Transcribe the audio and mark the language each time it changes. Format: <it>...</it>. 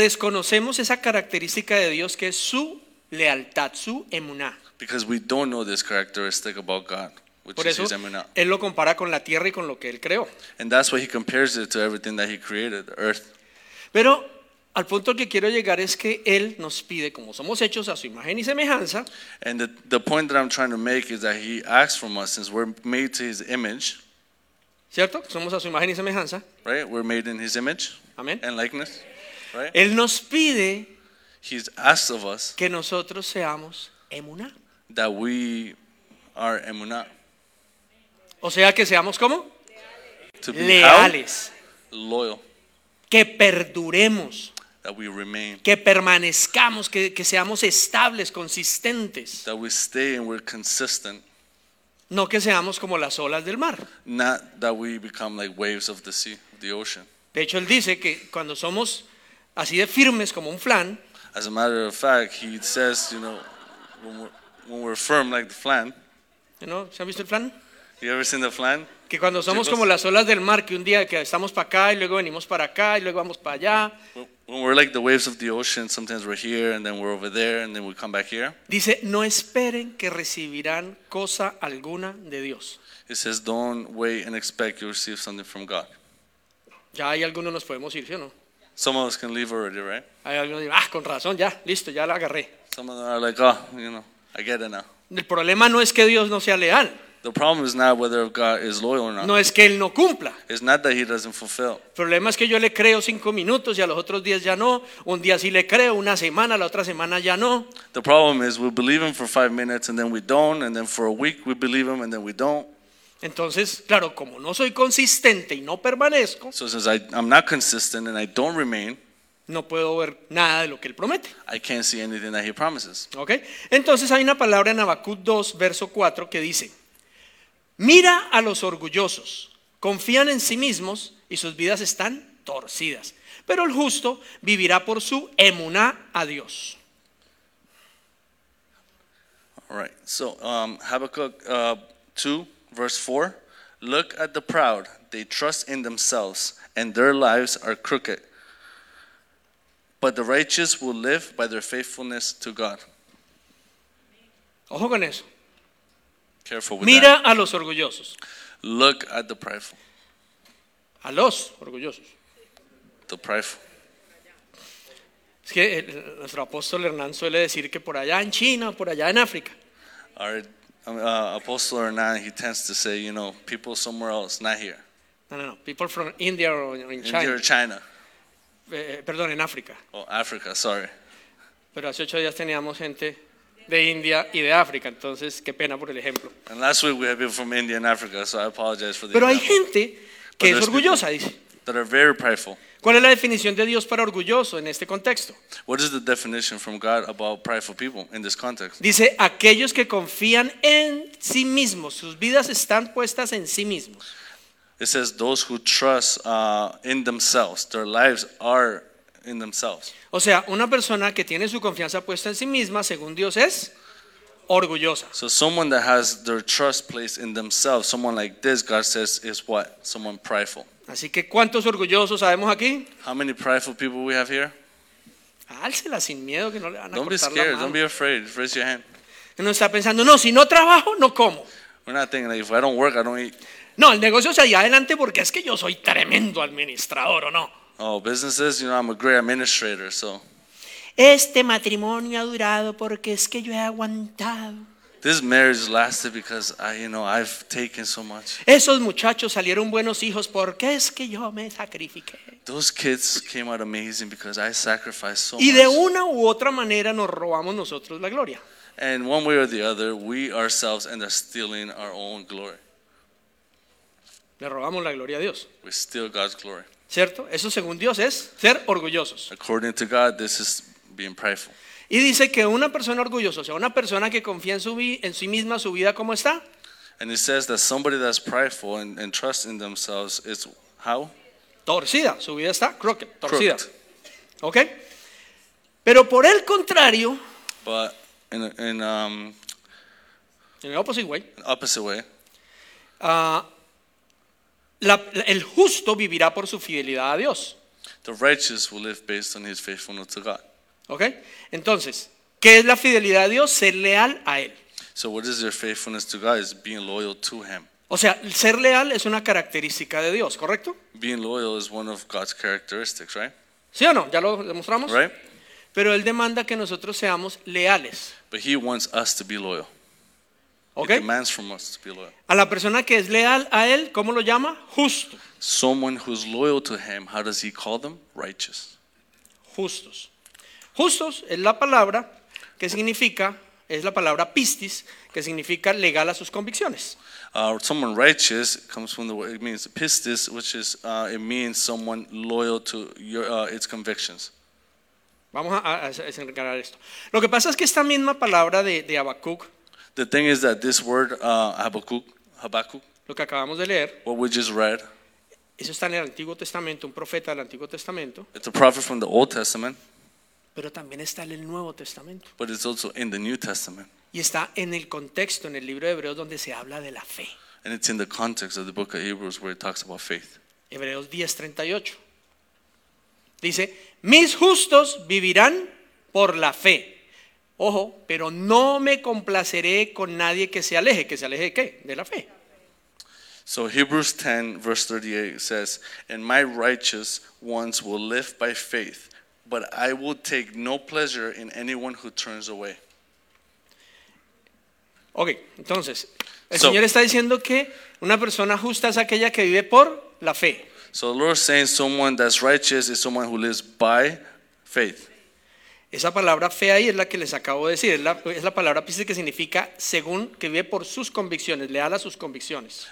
<es>Desconocemos esa característica de Dios que es su lealtad, su emuná.</es> <en>Because we don't know this characteristic about God, which</en> <es>Por</es> <en>is</en> <es>eso,</es> <en>his emuná.</en> <es>Él lo compara con la tierra y con lo que él creó.</es> <en>And that's why he compares it to everything that he created, the earth.</en> <es>Pero al punto que quiero llegar es que él nos pide, como somos hechos a su imagen y semejanza.</es> <en>And the point that I'm trying to make is that he asks from us, since we're made to his image.</en> <es>¿Cierto? Somos a su imagen y semejanza.</es> <en>Right? We're made in his image.</en> <es>Amén.</es> <en>And likeness. Right?</en> <es>Él nos pide.</es> <en>He's asked of us.</en> <es>Que nosotros seamos emuná.</es> <en>That we are emuná.</en> <es>O sea, que seamos ¿cómo?</es> <en>To be</en> <es>leales.</es> <en>How? Loyal.</en> <es>Que perduremos.</es> <en>That we remain.</en> <es>Que permanezcamos, que seamos estables, consistentes.</es> <en>That we stay and we're consistent.</en> <es>No que seamos como las olas del mar.</es> <en>Not that we become like waves of the sea, the ocean.</en> <es>De hecho, él dice que cuando somos así de firmes como un flan.</es> <en>As a matter of fact, he says, you know, when we're firm like the flan. You know,</en> <es>¿se han visto el flan?</es> <en>You ever seen the flan?</en> <es>Que cuando somos como las olas del mar, que un día que estamos para acá y luego venimos para acá y luego vamos para allá.</es> <en>When we're like the waves of the ocean, sometimes we're here and then we're over there and then we come back here.</en> <es>Dice, no esperen que recibirán cosa alguna de Dios.</es> <en>It says, don't wait and expect you receive something from God.</en> <es>Ya hay algunos nos podemos ir, ¿sí o no?</es> <en>Some of us can leave already, right?</en> <es>Hay algunos dicen, ah, con razón, ya, listo, ya la agarré.</es> <en>Some of them are like, oh, you know, I get it now.</en> <es>El problema no es que Dios no sea leal.</es> <en>The problem is not whether God is loyal or not.</en> <es>No es que él no cumpla.</es> <en>It's not that he doesn't fulfill.</en> <es>El problema es que yo le creo 5 minutos y a los otros días ya no. Un día sí le creo, una semana, la otra semana ya no.</es> <en>The problem is we believe him for 5 minutes and then we don't, and then for a week we believe him and then we don't.</en> <es>Entonces, claro, como no soy consistente y no permanezco,</es> <en>so since I'm not consistent and I don't remain,</en> <es>no puedo ver nada de lo que él promete.</es> <en>I can't see anything that he promises. Okay.</en> <es>Entonces hay una palabra en Habacuc 2, verso 4 que dice: mira a los orgullosos, confían en sí mismos y sus vidas están torcidas. Pero el justo vivirá por su emuná a Dios.</es> <en>All right, so Habakkuk 2, verse 4. Look at the proud, they trust in themselves and their lives are crooked. But the righteous will live by their faithfulness to God.</en> <es>Ojo con eso.</es> <en>Careful with</en> <es>mira</es> <en>that.</en> <es>A los orgullosos.</es> <en>Look at the prideful.</en> <es>A los orgullosos.</es> <en>The prideful.</en> <es>Es que nuestro apóstol Hernán suele decir que por allá en China, por allá en África.</es> <en>Our apostle Hernán, he tends to say, you know, people somewhere else, not here. No. People from India or in India China. India or China.</en> <es>Perdón, en África.</es> <en>Oh, Africa, sorry.</en> <es>Pero hace 8 días teníamos gente de India y de África, entonces qué pena por el ejemplo.</es> <en>And last week we had people from India and Africa, so I apologize for the.</en> <es>Pero hay gente que es orgullosa, dice.</es> <en>That are very prideful.</en> <es>¿Cuál es la definición de Dios para orgulloso en este contexto?</es> <en>What is the definition from God about prideful people in this context?</en> <es>Dice aquellos que confían en sí mismos, sus vidas están puestas en sí mismos.</es> <en>It says those who trust in themselves, their lives are in themselves.</en> <es>O sea, una persona que tiene su confianza puesta en sí misma, según Dios, es orgullosa.</es> <en>So someone that has their trust placed in themselves, someone like this, God says, is what? Someone prideful.</en> <es>Así que, ¿cuántos orgullosos sabemos aquí?</es> <en>How many prideful people we have here?</en> <es>Álcela sin miedo, que no le van a cortar la mano.</es> <en>Don't be scared. Don't be afraid. Raise your hand.</en> <es>No está pensando, no, si no trabajo, no como.</es> <en>We're not thinking like, if I don't work, I don't eat.</en> <es>No, el negocio se da adelante porque es que yo soy tremendo administrador, ¿o no?</es> <en>Oh, businesses, you know, I'm a great administrator, so.</en> <es>Este matrimonio ha durado porque es que yo he aguantado.</es> <en>This marriage lasted because I, you know, I've taken so much.</en> <es>Esos muchachos salieron buenos hijos porque es que yo me sacrifiqué.</es> <en>Those kids came out amazing because I sacrificed so much.</en> <es>Y de una u otra manera nos robamos nosotros la gloria.</es> <en>And one way or the other, we ourselves end up stealing our own glory.</en> <es>Le robamos la gloria a Dios.</es> <en>We steal God's glory.</en> <es>¿Cierto? Eso según Dios es ser orgullosos.</es> <en>According to God, this is being prideful.</en> <es>Y dice que una persona orgullosa, o sea, una persona que confía en, en sí misma, su vida como está.</es> <en>And it says that somebody that's prideful and trusts in themselves is how?</en> <es>Torcida. Su vida está crooked. Torcida.</es> <en>Crooked. Okay.</en> <es>Pero por el contrario.</es> <en>But in the opposite way. Opposite way.</en> <es>El justo vivirá por su fidelidad a Dios.</es> <en>The righteous will live based on his faithfulness to God. Okay.</en> <es>Entonces, ¿qué es la fidelidad a Dios? Ser leal a él.</es> <en>So what is your faithfulness to God? Is being loyal to him.</en> <es>O sea, ser leal es una característica de Dios, ¿correcto?</es> <en>Being loyal is one of God's characteristics, right?</en> <es>¿Sí o no? ¿Ya lo demostramos?</es> <en>Right.</en> <es>Pero él demanda que nosotros seamos leales.</es> <en>But he wants us to be loyal. Okay. It demands from us to be loyal.</en> <es>A la persona que es leal a él, ¿cómo lo llama? Justo.</es> <en>Someone who's loyal to him, how does he call them? Righteous.</en> <es>Justos. Justos es la palabra que significa, es la palabra pistis, que significa legal a sus convicciones.</es> <en>Someone righteous comes from the word, it means pistis, which is, it means someone loyal to your, its convictions.</en> <es>Vamos a desencadenar esto. Lo que pasa es que esta misma palabra de Habacuc.</es> <en>The thing is that this word Habakkuk,</en> <es>lo que acabamos de leer,</es> <en>what we just read,</en> <es>eso está en el Antiguo Testamento, un profeta del Antiguo Testamento.</es> <en>It's a prophet from the Old Testament.</en> <es>Pero también está en el Nuevo Testamento.</es> <en>But it's also in the New Testament.</en> <es>Y está en el contexto, en el libro de Hebreos, donde se habla de la fe.</es> <en>And it's in the context of the book of Hebrews where it talks about faith.</en> <es>Hebreos 10:38 dice: mis justos vivirán por la fe. Ojo, pero no me complaceré con nadie que se aleje. ¿Que se aleje de qué? De la fe.</es> <en>So Hebrews 10 verse 38 says, and my righteous ones will live by faith, but I will take no pleasure in anyone who turns away.</en> <es>Okay, entonces, El Señor está diciendo que una persona justa es aquella que vive por la fe.</es> <en>So the Lord is saying someone that's righteous is someone who lives by faith.</en> <es>Esa palabra fe ahí es la que les acabo de decir. Es la palabra pisces que significa según, que vive por sus convicciones, leal a sus convicciones.</es>